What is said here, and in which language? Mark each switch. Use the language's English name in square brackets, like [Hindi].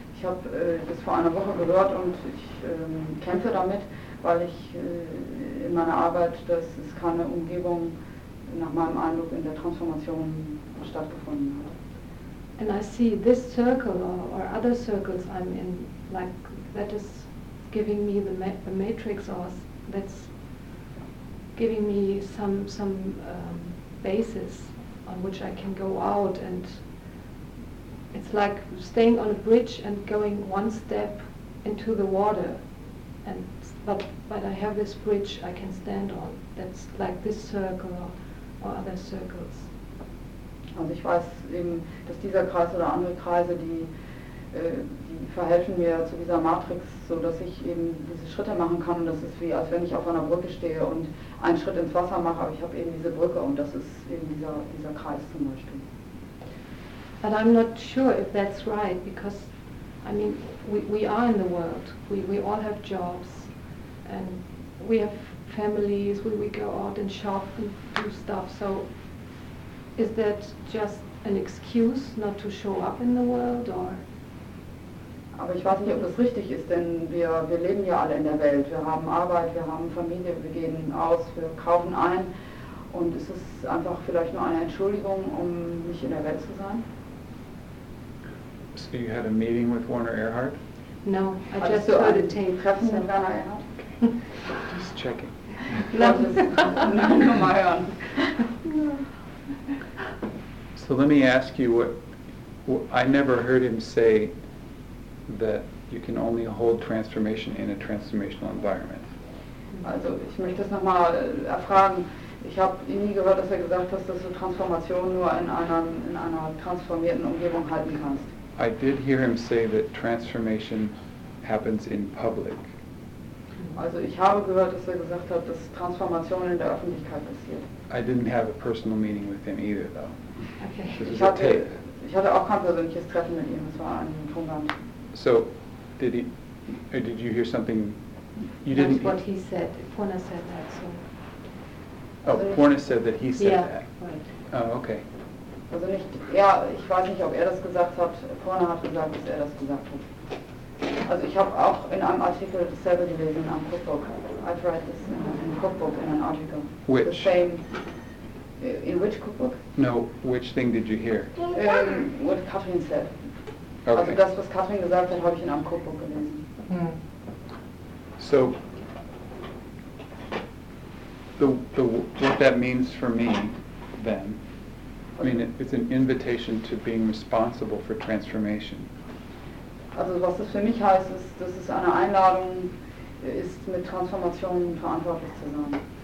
[German] Ich habe das vor einer Woche gehört und ich kämpfe damit, weil ich in meiner Arbeit, das ist keine Umgebung nach meinem Eindruck, in der Transformation stattgefunden hat. [English] And I see this circle or other circles I'm in, like that is giving me the matrix, or that's giving me some basis on which I can go out, and it's like staying on a bridge and going one step into the water, and but I have this bridge I can stand on. That's like this circle or other circles. [German] Also ich weiß eben, dass dieser Kreis oder andere Kreise, die verhelfen mir zu dieser Matrix, so dass ich eben diese Schritte machen kann. Und das ist wie, als wenn ich auf einer Brücke stehe und einen Schritt ins Wasser mache, aber ich habe eben diese Brücke, und das ist eben dieser Kreis zum Beispiel. [English] But I'm not sure if that's right, because, I mean, we are in the world. We all have jobs and we have families. We go out and shop and do stuff. So is that just an excuse not to show up in the world, or? [German] Aber ich weiß nicht, ob das richtig ist, denn wir leben ja alle in der Welt. Wir haben Arbeit, wir haben Familie, wir gehen aus, wir kaufen ein, und es ist einfach vielleicht nur eine Entschuldigung, um nicht in der Welt zu sein. [English] So you had a meeting with Werner Ehrhardt? No, I just heard a tape. [German] Treffen mit Werner Ehrhardt? [English] Okay. Just checking. [German] Nein, nur mal hören. [English] So let me ask you what I never heard him say that you can only hold transformation in a transformational environment. [German] Also ich möchte das nochmal erfragen. Ich habe nie gehört, dass er gesagt hat, dass du Transformation nur in einer transformierten Umgebung halten kannst. [English] I did hear him say that transformation happens in public. [German] Also ich habe gehört, dass er gesagt hat, dass Transformation in der Öffentlichkeit passiert. [English] I didn't have a personal meeting with him either, though. Okay. This is a tape. [German] Ich hatte auch kein persönliches Treffen mit ihm. Es war ein Tonband. [English] So, did you hear something? You didn't. That's what he said. Porna said that. So. Oh, Porna said that he said yeah, that. Yeah. Right. Oh, okay. [German] Also nicht. Ja, ich weiß nicht, ob er das gesagt hat. Porna hat gesagt, dass er das gesagt hat. Also ich habe auch in einem Artikel dasselbe gelesen, in einem Cookbook. [English] I've read this in a cookbook, in an article. Which? The same. In which cookbook? No, which thing did you hear? What Katrin said. Okay. [German] Also das, was Katrin gesagt hat, habe ich in einem Cookbook gelesen. [English] So, the what that means for me, then, I mean, it's an invitation to being responsible for transformation. [German] Also, was das für mich heißt, ist, dass es eine Einladung ist, mit Transformation verantwortlich zu sein.